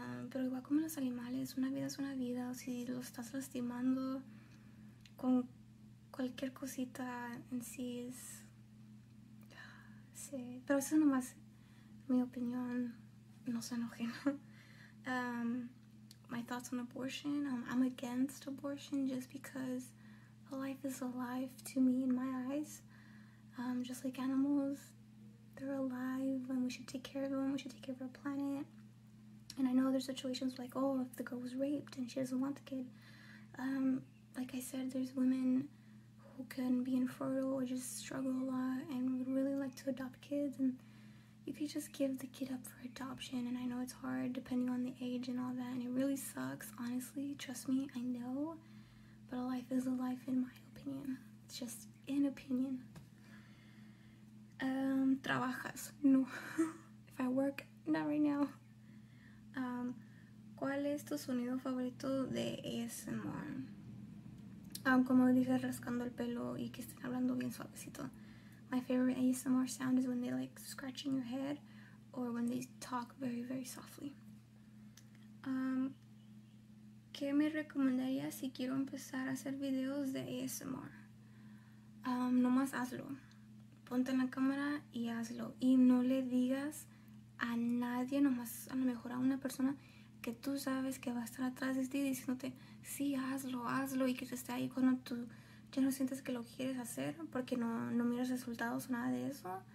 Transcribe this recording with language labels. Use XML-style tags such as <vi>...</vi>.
<es>Pero igual como los animales, una vida es una vida. Si lo estás lastimando con cualquier cosita en sí es... Sí, pero eso nomás mi opinión, no se enojen.</es> <en>My thoughts on abortion, I'm against abortion just because a life is a life to me in my eyes. Just like animals, they're alive and we should take care of them, we should take care of our planet. And I know there's situations like, oh, if the girl was raped and she doesn't want the kid. Like I said, there's women who can be infertile or just struggle a lot and would really like to adopt kids. And you could just give the kid up for adoption. And I know it's hard depending on the age and all that. And it really sucks, honestly. Trust me, I know. But a life is a life in my opinion. It's just an opinion.</en> <es>¿Trabajas?</es> <en>No. If I work, not right now.</en> <es>¿Cuál es tu sonido favorito de ASMR? Como dije, rascando el pelo y que estén hablando bien suavecito.</es> <en>My favorite ASMR sound is when they like scratching your head or when they talk very, very softly.</en> <es>¿Qué me recomendarías si quiero empezar a hacer videos de ASMR? Nomás hazlo. Ponte en la cámara y hazlo. Y no le digas a nadie, nomás a lo mejor a una persona que tú sabes que va a estar atrás de ti diciéndote, sí, hazlo, hazlo, y que te esté ahí cuando tú ya no sientes que lo quieres hacer porque no miras resultados o nada de eso.</es>